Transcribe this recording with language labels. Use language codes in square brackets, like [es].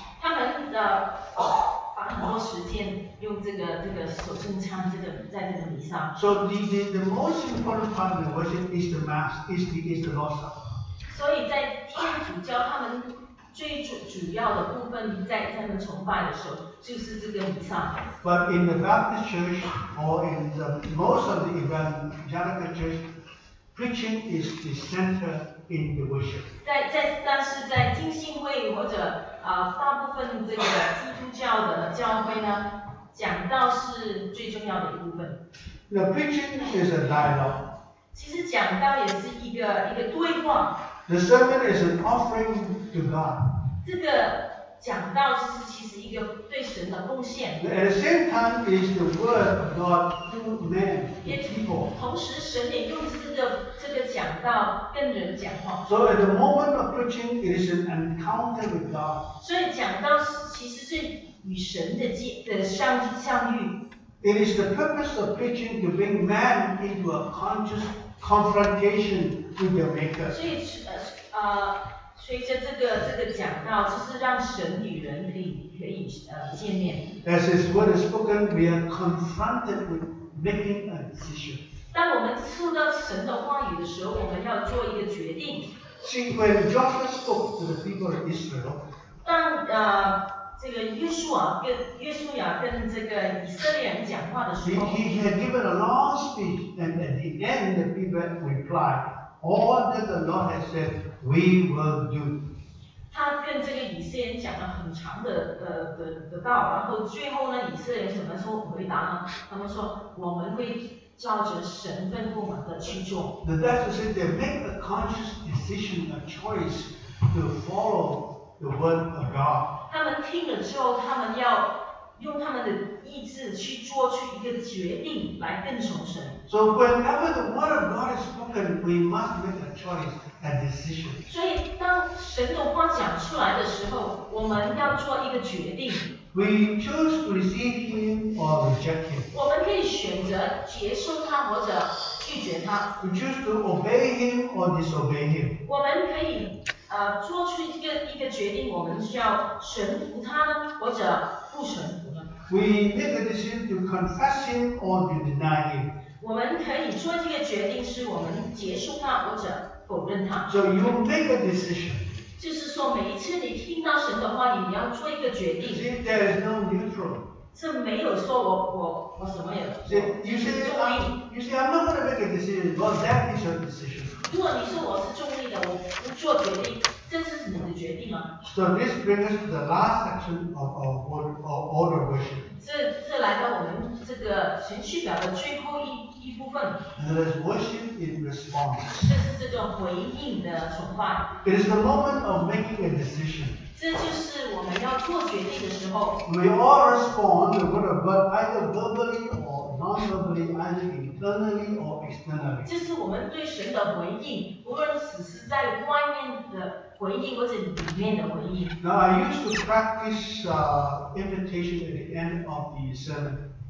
[zh] 他们的花很多时间用这个手中枪在这个弥撒。 [en] So the most important part of the worship is the mass, is the Lord's Supper. [zh] 所以在天主教他们最主要的部分在他们崇拜的时候就是这个弥撒。 [en] But in the Baptist Church or in the most of the evangelical church, preaching is the center in the worship. [zh] 但是在金星会或者大部分这个基督教的教会呢，讲道是最重要的一部分。 [en] The preaching is a dialogue. [zh] 其实讲道也是一个对话。 [en] The sermon is an offering to God. [zh] 这个讲道其实一个对神的贡献。 [en] At the same time, is the word of God to men, to people. [zh] 同时，神也用这个讲道跟人讲话。 [en] So at the moment of preaching, it is an encounter with God. [zh] 所以讲道其实是与神的相遇。 [en] It is the purpose of preaching to bring man into a conscious confrontation with their Maker. [zh] 所以随着这个讲道，就是让神与人可以见面。 [en] As His word is spoken, we are confronted with making a decision. [zh] 当我们受到神的话语的时候，我们要做一个决定。 [en] See, when Joshua spoke to the people of Israel, [zh] 当这个约书亚跟这个以色列人讲话的时候， [en] he had given a long speech, and at the end, the people replied, "All that the Lord has said, we will do." [zh] 他跟这个以色列人讲了很长的道，然后最后呢，以色列人怎么说回答呢？他们说，我们会照着神吩咐我们的去做。 [en] The Bible says they make a conscious decision, a choice to follow the word of God. [zh] 他们听了之后，他们要用他们的意志去做出一个决定来跟从神。 [en] So whenever the word of God is spoken, we must make a choice, a decision. [zh] 所以当神的话讲出来的时候，我们要做一个决定。 [en] We choose to receive Him or reject Him. [zh] 我们可以选择接受他或者拒绝他。 [en] We choose to obey Him or disobey Him. [zh] 我们可以做出一个决定，我们需要顺服他或者不顺服他。 [en] We make a decision to confess Him or to deny Him. [zh] 我们可以做这个决定，是我们接受他或者否认他。 [en] So you make a decision. [zh] 就是说，每一次你听到神的话，你要做一个决定。 [en] See, there is no neutral. [zh] 是没有说我什么也。 [en] You say I'm not going to make a decision. Well, that is your decision. [zh] 如果你说我是中立的，我不做决定，这是你的决定啊。 [en] So this brings us to the last section of our order worship. [zh] 这来到我们这个程序表的最后一部分。 [en] There is worship in response. [zh] 这是这个回应的崇拜。 [en] It is the moment of making a decision. [zh] 这就是我们要做决定的时候。 [en] We all respond to the word of God either verbally or responsibly either internally or externally. [zh] 就是我们对神的回应，无论只是在外面的回应或者里面的回应。 [en] Now I used to practice invitation at the end of the sermon.